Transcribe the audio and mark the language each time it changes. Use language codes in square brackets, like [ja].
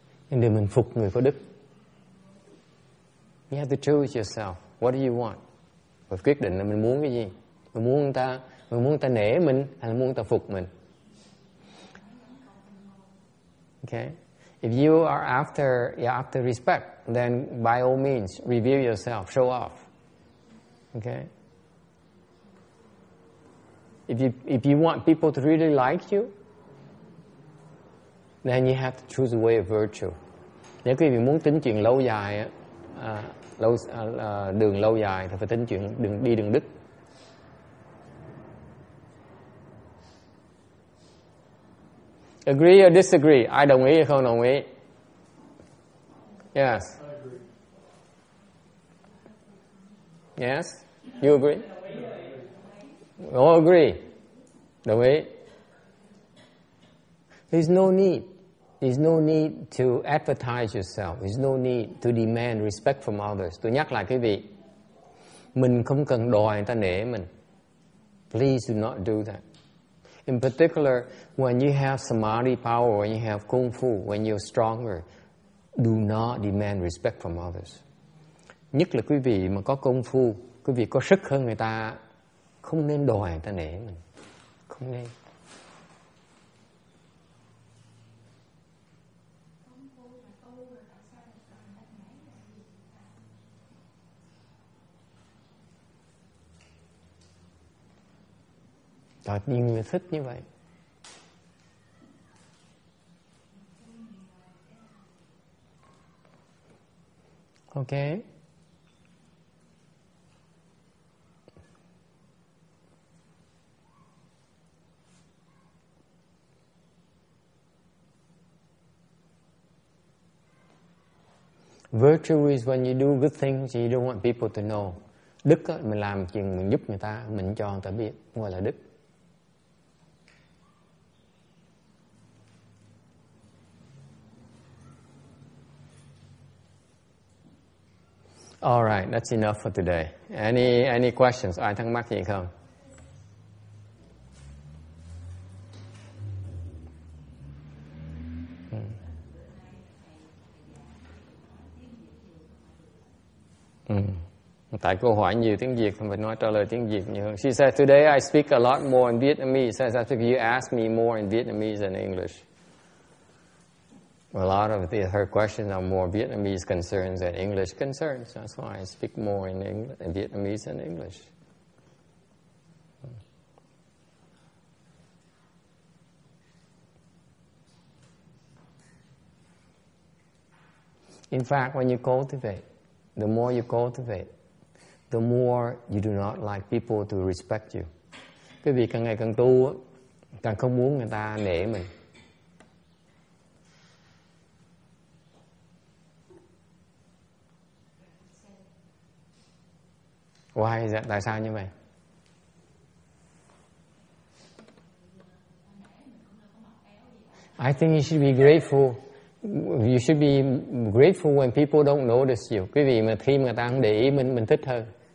[en] And then [vi] mình phục người có đức. [en] You have to choose yourself. What do you want? [vi] Mình quyết định là mình muốn cái gì? Mình muốn người ta nể mình hay là muốn người ta phục mình? [en] Okay. If you are after respect, then by all means reveal yourself, show off. Okay. If you want people to really like you, then you have to choose a way of virtue. [vi] Nếu quý vị muốn tính chuyện lâu dài á, đường lâu dài thì phải tính chuyện đường đi đường đức. [en] Agree or disagree? [vi] Ai đồng ý hay không đồng ý? [en] Yes. I agree. Yes. You agree? All agree. [vi] Đồng ý. [en] There's no need to advertise yourself. There's no need to demand respect from others. [vi] Tôi nhắc lại quý vị, mình không cần đòi người ta nể mình. [en] Please do not do that. In particular, when you have samadhi power, when you have kung fu, when you're stronger, do not demand respect from others. [vi] Nhất là quý vị mà có kung fu, quý vị có sức hơn người ta, không nên đòi người ta nể mình. Không nên. Tại vì người thích như vậy. [en] Ok. Virtue is when you do good things you don't want people to know. [vi] Đức á, mình làm chuyện mình giúp người ta, mình cho người ta biết, gọi là đức. [en] All right, that's enough for today. Any questions? [vi] Ai thắc mắc gì không? Tại cô hỏi nhiều tiếng Việt, phải nói trả lời tiếng Việt nhiều hơn. [en] She said, today I speak a lot more in Vietnamese. She said, you ask me more in Vietnamese than English. A lot of her questions are more Vietnamese concerns than English concerns. That's why I speak more in Vietnamese than English. In fact, when you cultivate, the more you cultivate, the more you do not like people to respect you. [vi] Quý vị càng ngày càng tu, càng không muốn người ta nể mình. [en] Why is that? [vi] Tại sao như vậy? [en] I think you should be grateful. You should be grateful when people don't notice you. [vi] Quý vị mà khi mà người ta không để ý mình thích hơn.